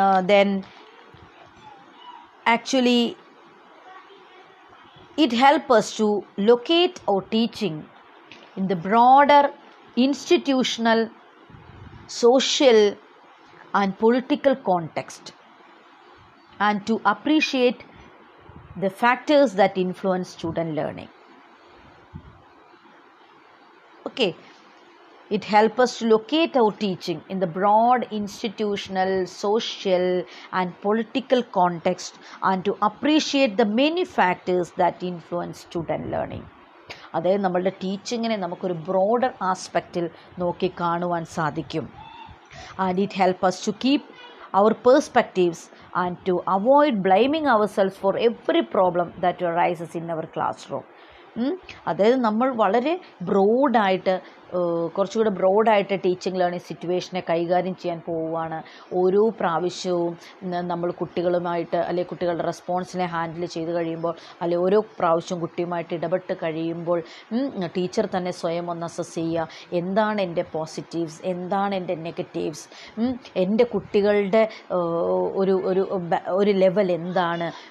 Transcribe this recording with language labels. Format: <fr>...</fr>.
<en>Then actually it help us to locate our teaching in the broader institutional social and political context and to appreciate the factors that influence student learning. Okay, it helps us to locate our teaching in the broad institutional, social and political context and to appreciate the many factors that influence student learning.</en> <ml>അതേ നമ്മളുടെ ടീച്ചിങ്ങിനെ നമുക്കൊരു broader ആസ്പെക്റ്റിൽ നോക്കി കാണുവാൻ സാധിക്കും.</ml> <en>And it helps us to keep our perspectives and to avoid blaming ourselves for every problem that arises in our classroom.</en> <ml>അതായത് നമ്മൾ വളരെ ബ്രോഡായിട്ട് കുറച്ചുകൂടെ ബ്രോഡായിട്ട് ടീച്ചിങ് ലേണിംഗ് സിറ്റുവേഷനെ കൈകാര്യം ചെയ്യാൻ പോവുകയാണ്. ഓരോ പ്രാവശ്യവും നമ്മൾ കുട്ടികളുമായിട്ട് അല്ലെങ്കിൽ കുട്ടികളുടെ റെസ്പോൺസിനെ ഹാൻഡിൽ ചെയ്ത് കഴിയുമ്പോൾ അല്ലെ ഓരോ പ്രാവശ്യവും കുട്ടിയുമായിട്ട് ഇടപെട്ട് കഴിയുമ്പോൾ ടീച്ചർ തന്നെ സ്വയം ഒന്ന് അസസ് ചെയ്യുക, എന്താണ് എൻ്റെ പോസിറ്റീവ്സ്, എന്താണ് എൻ്റെ നെഗറ്റീവ്സ്, എൻ്റെ കുട്ടികളുടെ ഒരു ഒരു ലെവൽ എന്താണ്,</ml>